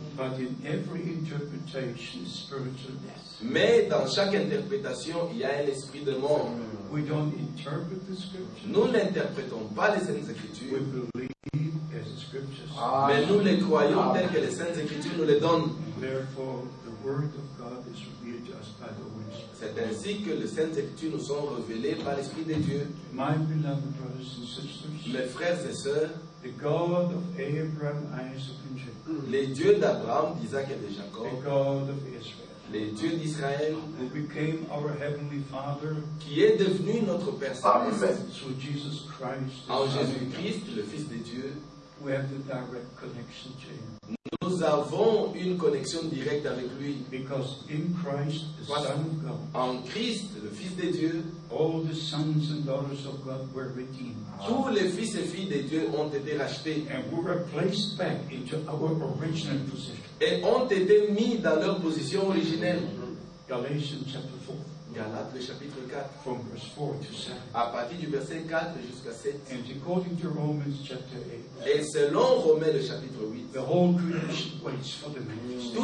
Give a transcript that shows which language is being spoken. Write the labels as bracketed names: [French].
[English] But in every interpretation, spiritual death. [French] Mais dans chaque interprétation, il y a un esprit de mort. [English] We don't interpret the scriptures. [French] Nous n'interprétons pas les Saintes Écritures. [English] We believe as the scriptures. [French] Mais nous les croyons telles que les Saintes Écritures nous les donnent. [English] Therefore, the word of God is revealed to us by the Holy Spirit. [French] C'est ainsi que les Saintes Écritures nous sont révélées par l'Esprit de Dieu. [English] My beloved brothers and sisters, [French] mes frères et sœurs, [English] the God of Abraham, Isaac, and Jacob. [French] Les dieux d'Abraham, d'Isaac et de Jacob. [English] The God of Israel. [French] Les dieux d'Israël. [English] Who became our heavenly Father. [French] Qui est devenu notre Père Céleste. [English] Through Jesus Christ. [French] En Jésus-Christ, le Fils de Dieu. [English] We have the direct connection to Him. [French] Nous avons une connexion directe avec lui. [English] Because in Christ, the Son of God. [French] En Christ, le Fils de Dieu. [English] All the sons and daughters of God were redeemed. [French] Tous les fils et filles de Dieu ont été rachetés. [English] And we were placed back into our original position. [French] Et ont été mis dans leur position originelle. [English] Galatians chapter 4. [French] Galates chapitre 4. [English] From verse 4 to 7. [French] À partir du verset 4 jusqu'à 7. [English] And according to Romans chapter 8. [French] Et selon Romains le chapitre 8. [English] The whole creation waits for the manifestation.